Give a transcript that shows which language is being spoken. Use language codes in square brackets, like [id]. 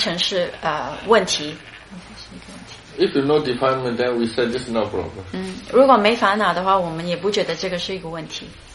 [zh] 那当就是每一件事情发生的东西都是一个经验嘛，那当那个经验升起的时候，而那我那个时候我们的心有烦恼的话呢，那我们就把那个经验看成是问题。 [en] If you're not defilement, then we said this is not a problem. [zh] 如果没烦恼的话，我们也不觉得这个是一个问题。